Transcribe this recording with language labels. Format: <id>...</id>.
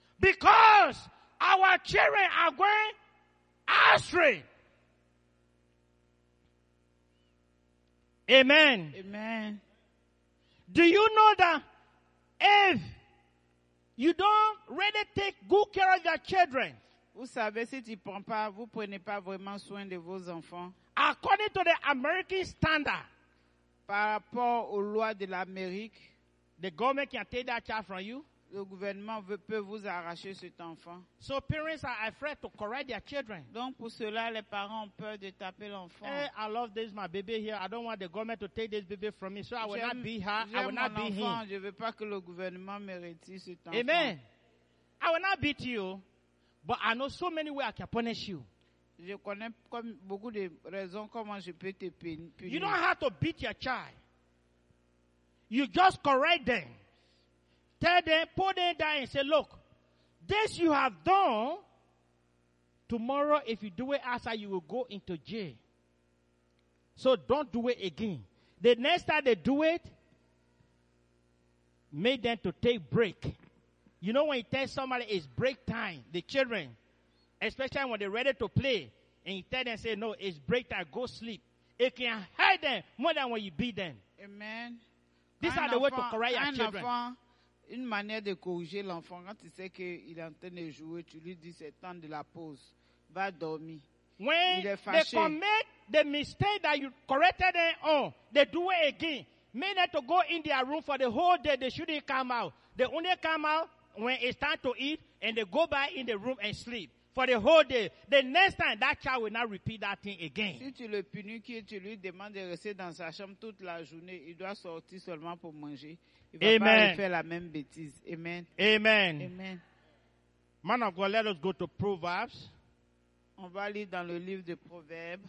<en>Because our children are going astray. Amen. Amen. Do you know that if you don't really take good care of your children,</en> <fr>vous savez, si tu prends pas, vous prenez pas vraiment soin de vos enfants,</fr> <en>according to the American standard,</en> <fr>par rapport aux lois de l'Amérique,</fr> <en>the government can take that child from you.</en> <fr>Le gouvernement peut vous arracher cet enfant.</fr> <en>So parents are afraid to correct their children.</en> <fr>Donc pour cela, les parents ont peur de taper l'enfant.</fr> <en>Hey, I love this, my baby here. I don't want the government to take this baby from me. So I will not be her. I will not be him.</en> <fr>Je ne veux pas que le gouvernement me retire cet enfant. Amen.</fr> <en>I will not beat you, but I know so many ways I can punish you.</en> <fr>Je connais comme beaucoup de raisons comment je peux te punir.</fr> <en>You don't have to beat your child. You just correct them. Tell them, put them down and say, look, this you have done, tomorrow if you do it outside, you will go into jail. So don't do it again. The next time they do it, made them to take break. You know, when you tell somebody it's break time, the children, especially when they're ready to play, and you tell them, say, no, it's break time, go sleep. It can hurt them more than when you beat them. Amen. These are the way to correct your children.</en> <fr>Une manière de corriger l'enfant, quand tu sais qu'il est en train de jouer, tu lui dis, c'est temps de la pause. Va dormir.</fr> <en>When</en> <fr>il est fâché.</fr> <en>They commit the mistake that you corrected them on, they do it again. Men have to go in their room for the whole day. They shouldn't come out. They only come out when it's time to eat, and they go back in the room and sleep for the whole day. The next time, that child will not repeat that thing again.</en> <fr>Si tu le punis, tu lui demandes de rester dans sa chambre toute la journée, il doit sortir seulement pour manger. Amen. Faire la même bêtise. Amen. Amen. Amen.</fr> <en>Man of God, let us go to Proverbs.</en> <fr>On va lire dans le livre de Proverbes.</fr>